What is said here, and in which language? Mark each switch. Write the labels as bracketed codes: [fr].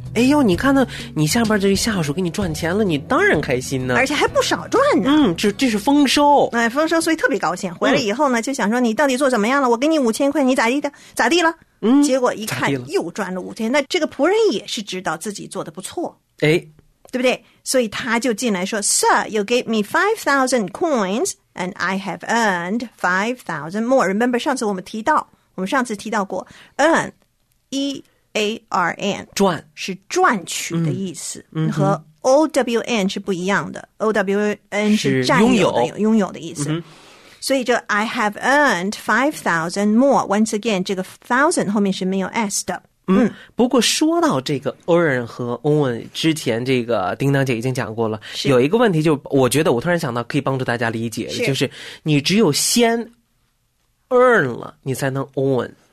[zh] 哎呦，你看呢，你下边这下属给你赚钱了，你当然开心呢，而且还不少赚呢。嗯，这是丰收。哎，丰收，所以特别高兴。回来以后呢，就想说你到底做怎么样了？我给你5000块，你咋地的？咋地了？嗯，结果一看又赚了5000。那这个仆人也是知道自己做的不错，哎，对不对？所以他就进来说 [en] ：“Sir, you gave me 5,000 coins, and I have earned 5,000 more.” [zh] Remember 上次我们提到过 earn, e a r n 赚是赚取的意思，和 o w n 是不一样的。o w n 是占有的，拥有的意思。所以就 [en] I have earned 5,000 more. Once again, [zh] 这个 thousand 后面是没有 s 的。不过说到这个 Owen 和 Owen 之前这个叮当姐已经讲过了，有一个问题，就我觉得我突然想到可以帮助大家理解，是就是你只有先 earn 了你才能 Owen，